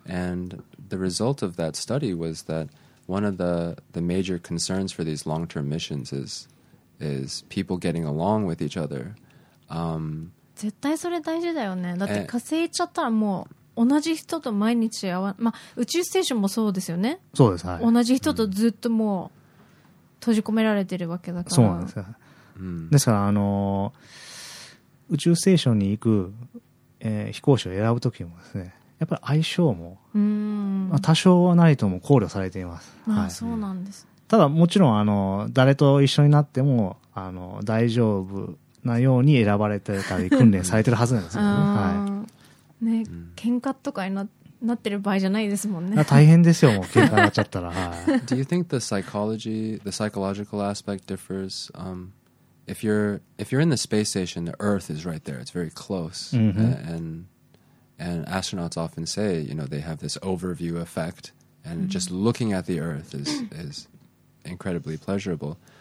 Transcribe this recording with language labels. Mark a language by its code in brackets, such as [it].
[en] And the result of that study was that one of the major concerns for these long-term missions is people getting along with each other. [ja] 絶対それ大事だよね。だって火星行っちゃったらもう同じ人と毎日会わ、まあ、宇宙ステーションもそうですよね。そうです、はい、同じ人とずっともう閉じ込められてるわけだから。そうなんですよ、うん、ですから宇宙ステーションに行く、飛行士を選ぶときもですね、やっぱり相性も、うん、まあ、多少はないとも考慮されています。ああ、はい、そうなんです。ただもちろん誰と一緒になっても大丈夫なように選ばれてたり訓練されてるはずなんですよ ね、 、はい、ね、喧嘩とかに なってる場合じゃないですもんね。大変ですよ、もう喧嘩になっちゃったら。、はい、 [en] Do you think the psychology, the psychological aspect differs?、If you're in the space station, the Earth is right there. It's very close. Mm-hmm. And astronauts often say, you know, they have this overview effect. And mm-hmm. just looking at the Earth is incredibly pleasurable.